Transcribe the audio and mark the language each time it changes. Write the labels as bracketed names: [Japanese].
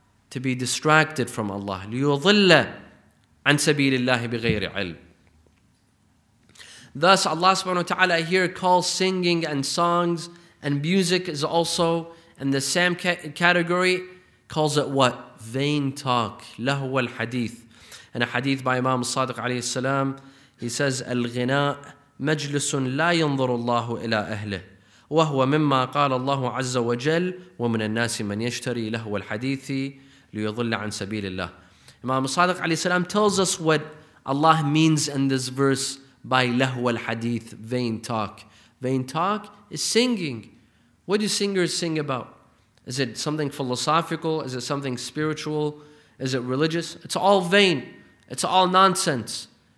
[English] To be distracted from Allah. [Arabic] لِيُضِلَّ عَنْ سَبِيلِ اللَّهِ بِغَيْرِ عِلْمٍ. [English] Thus, Allah subhanahu wa ta'ala here calls singing and songs and music is also in the same category, calls it what? Vain talk. [Arabic] لَهُوَ الْحَدِيثِ. [English] In a hadith by Imam Sadiq alayhi salam, he says, [Arabic] الْغِنَاء مَجْلِسٌ لَا يَنْظُرُ اللَّهُ إِلَىٰ أَهْلِهِ وَهُوَ مِمَّا قَالَ اللَّهُ عَزَّ وَجَلَّ وَمِنَ النَّاسِ مَنْ يَشْتَرِي لَهُوَ الْحَدِيثِ لِيُضِلَّ عَنْ سَبِيلِ اللَّهِ. [English] Imam Sadiq alayhi salam tells us what Allah means in this verse by [Arabic] لَهُوَ الْحَدِيثِ, [English] vain talk. Vain talk is singing. What do singers sing about? Is it something philosophical? Is it something spiritual? Is it religious? It's all vain. It's all nonsense.